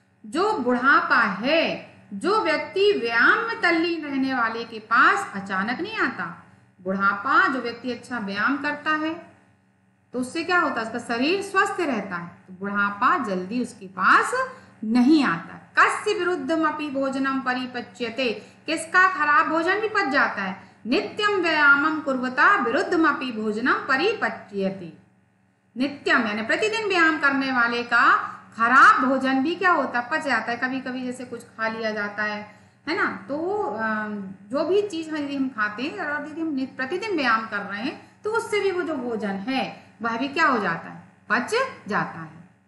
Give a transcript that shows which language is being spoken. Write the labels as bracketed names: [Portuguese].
[Hindi] जो बुढ़ापा है, जो व्यक्ति व्यायाम में तल्लीन रहने वाले के पास अचानक नहीं आता। बुढ़ापा, जो व्यक्ति अच्छा व्यायाम करता है तो उससे क्या होता है, उसका शरीर स्वस्थ रहता है, तो बुढ़ापा जल्दी उसके पास नहीं आता। [Sanskrit] कस्य विरुद्धम अपि भोजनम परिपच्यते। [Hindi] किसका खराब भोजन भी पच जाता है। [Sanskrit] नित्यम व्यायामम कुर्वता विरुद्धम अपि भोजनम परिपच्यते। [Hindi] नित्यम यानी प्रतिदिन व्यायाम करने वाले का खराब भोजन भी क्या होता है, पच जाता है। कभी कभी जैसे कुछ खा लिया जाता है ना, तो जो भी चीज हम खाते हैं और यदि हम प्रतिदिन व्यायाम कर रहे हैं तो उससे भी वो जो भोजन है वह भी क्या हो जाता है, पच जाता है।